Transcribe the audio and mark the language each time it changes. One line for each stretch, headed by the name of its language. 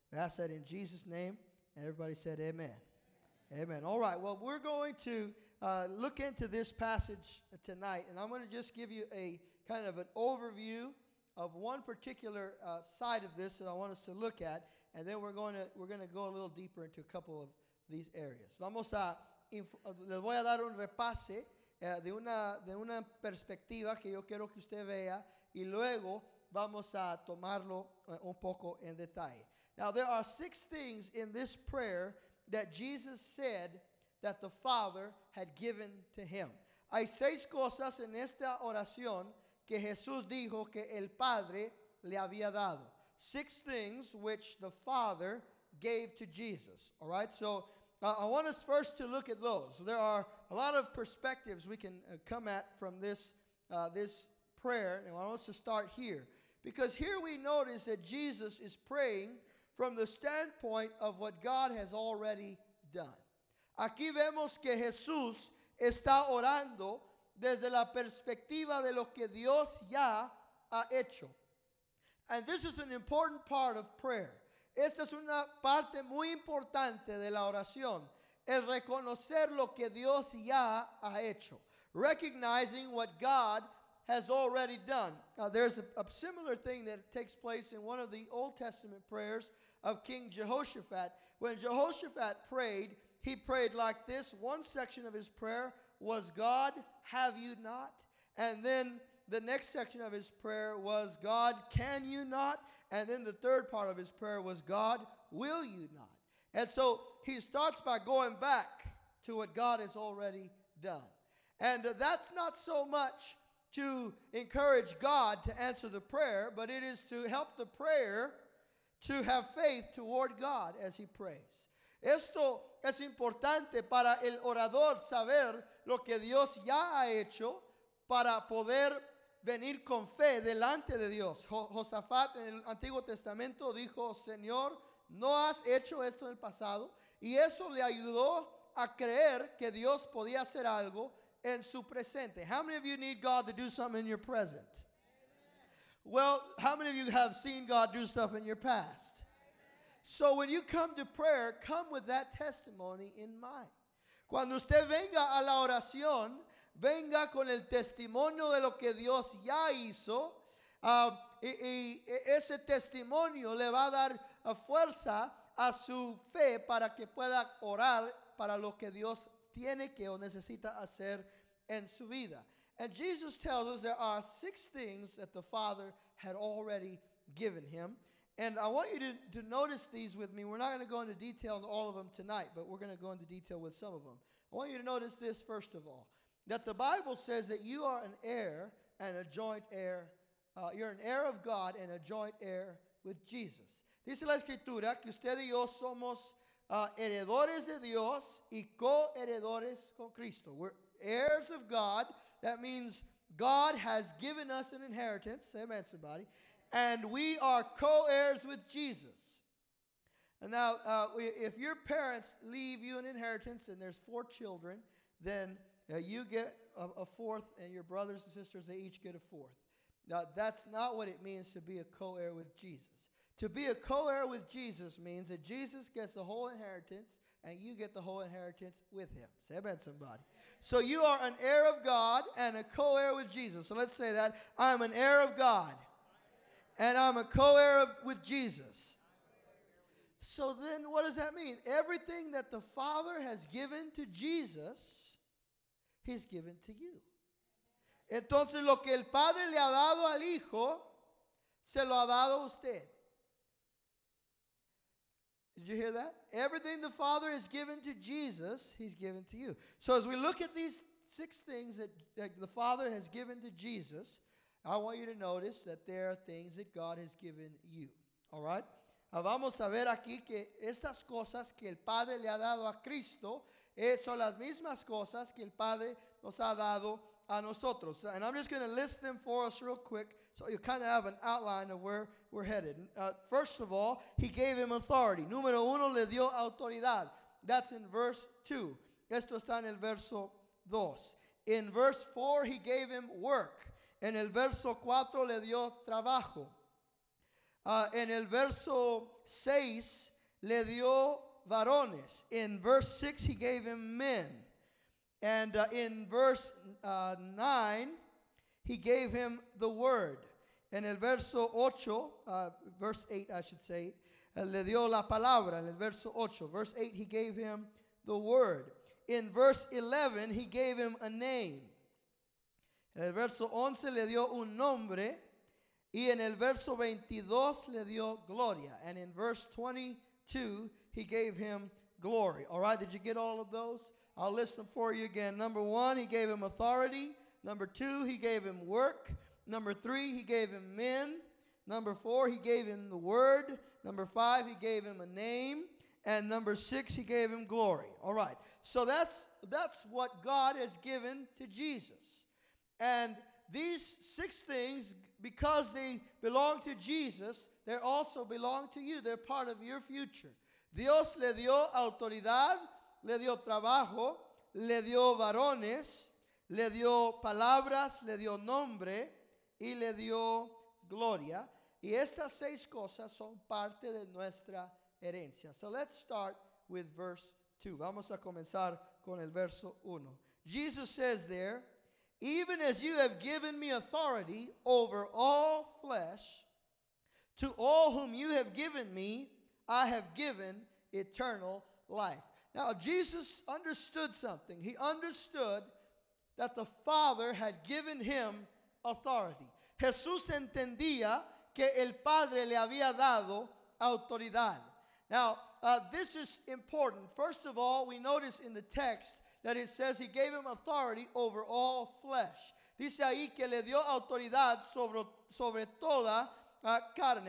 English: I ask that in Jesus' name, and everybody said amen. Amen. Amen. All right, well, we're going to look into this passage tonight, and I'm going to just give you a kind of an overview of one particular side of this that I want us to look at, and then we're going to go a little deeper into a couple of these areas.
Spanish: Vamos a, les voy a dar un repase de una perspectiva que yo quiero que usted vea, y luego vamos a tomarlo un poco en detalle.
English: Now, there are six things in this prayer that Jesus said that the Father had given to him.
Spanish: Hay seis cosas en esta oración que Jesús dijo que el Padre le había dado.
English: Six things which the Father gave to Jesus. All right, so I want us first to look at those. There are a lot of perspectives we can come at from this prayer. And I want us to start here. Because here we notice that Jesus is praying from the standpoint of what God has already done.
Spanish: Aquí vemos que Jesús está orando desde la perspectiva de lo que Dios ya ha hecho.
English: And this is an important part of prayer.
Spanish: Esta es una parte muy importante de la oración. El reconocer lo que Dios ya ha hecho.
English: Recognizing what God has already done. Now, there's a similar thing that takes place in one of the Old Testament prayers of King Jehoshaphat. When Jehoshaphat prayed, he prayed like this. One section of his prayer was, God, have you not? And then the next section of his prayer was, God, can you not? And then the third part of his prayer was, God, will you not? And so he starts by going back to what God has already done. And that's not so much to encourage God to answer the prayer, but it is to help the prayer to have faith toward God as he prays.
Spanish: Esto es importante para el orador saber lo que Dios ya ha hecho para poder venir con fe delante de Dios. Josafat en el Antiguo Testamento dijo, Señor, ¿no has hecho esto en el pasado? Y eso le ayudó a creer que Dios podía hacer algo en su presente.
English: How many of you need God to do something in your present? Amen. Well, how many of you have seen God do stuff in your past? Amen. So when you come to prayer, come with that testimony in mind.
Spanish: Cuando usted venga a la oración, venga con el testimonio de lo que Dios ya hizo. Y ese testimonio le va a dar fuerza a su fe para que pueda orar para lo que Dios tiene que o necesita hacer en su vida.
English: And Jesus tells us there are six things that the Father had already given him. And I want you to notice these with me. We're not going to go into detail on all of them tonight, but we're going to go into detail with some of them. I want you to notice this first of all, that the Bible says that you are an heir and a joint heir. You're an heir of God and a joint heir with Jesus.
Spanish: Dice la Escritura que usted y yo somos heredores de Dios y coheredores con Cristo.
English: We're heirs of God. That means God has given us an inheritance. Amen, somebody. And we are co-heirs with Jesus. And now, if your parents leave you an inheritance and there's four children, then you get a fourth and your brothers and sisters, they each get a fourth. Now, that's not what it means to be a co-heir with Jesus. To be a co-heir with Jesus means that Jesus gets the whole inheritance and you get the whole inheritance with him. Say amen, somebody. So you are an heir of God and a co-heir with Jesus. So let's say that. I'm an heir of God. And I'm a co-heir with Jesus. So then what does that mean? Everything that the Father has given to Jesus, he's given to you.
Spanish: Entonces lo que el Padre le ha dado al Hijo, se lo ha dado usted.
English: Did you hear that? Everything the Father has given to Jesus, he's given to you. So as we look at these six things that the Father has given to Jesus, I want you to notice that there are things that God has given you. All right?
Spanish: Vamos a ver aquí que estas cosas que el Padre le ha dado a Cristo son las mismas cosas que el Padre nos ha dado a nosotros.
English: And I'm just going to list them for us real quick so you kind of have an outline of where we're headed. First of all, he gave him authority.
Spanish: Número uno, le dio autoridad.
English: That's in verse 2.
Spanish: Esto está en el verso 2.
English: In verse 4, he gave him work.
Spanish: En el verso 4 le dio trabajo. En el verso 6 le dio varones.
English: In verse 6 he gave him men. And in verse 9 he gave him the word.
Spanish: En el verso 8, le dio la palabra. En el verso 8,
English: verse 8 he gave him the word. In verse 11 he gave him a name.
Spanish: En el verso 11 le dio un nombre, y en el verso 22 le dio gloria.
English: And in verse 22, he gave him glory. All right, did you get all of those? I'll list them for you again. Number one, he gave him authority. Number two, he gave him work. Number three, he gave him men. Number four, he gave him the word. Number five, he gave him a name. And number six, he gave him glory. All right, so that's what God has given to Jesus. And these six things, because they belong to Jesus, they also belong to you. They're part of your future.
Spanish: Dios le dio autoridad, le dio trabajo, le dio varones, le dio palabras, le dio nombre, y le dio gloria. Y estas seis cosas son parte de nuestra herencia.
English: So let's start with verse 2.
Spanish: Vamos a comenzar con el verso 1.
English: Jesus says there, even as you have given me authority over all flesh, to all whom you have given me, I have given eternal life. Now, Jesus understood something. He understood that the Father had given him authority.
Spanish: Jesús entendía que el Padre le había dado autoridad.
English: Now, this is important. First of all, we notice in the text that it says he gave him authority over all flesh.
Spanish: Dice ahí que le dio autoridad sobre toda carne.